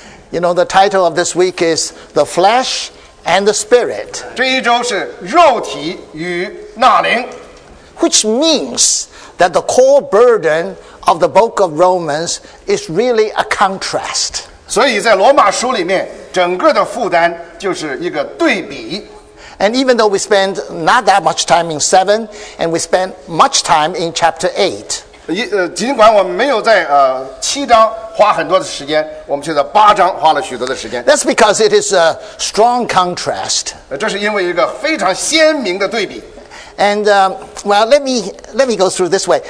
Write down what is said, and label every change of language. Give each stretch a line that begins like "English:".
English: You know, the title of this week is The Flesh and the Spirit.
Chinese: 这一周是肉体与纳灵。
English: Which means that the core burden of the book of Romans is really a contrast.
Chinese: 所以在罗马书里面, 整个的负担就是一个对比。
English: And even though we spend not that much time in 7, and we spend much time in chapter 8,
Chinese: 尽管我们没有在, 7章花很多的时间, 我们却在8章花了许多的时间。
English: That's because it is a strong contrast.
Chinese: 这是因为一个非常鲜明的对比。
English: And, well, let me go through this way.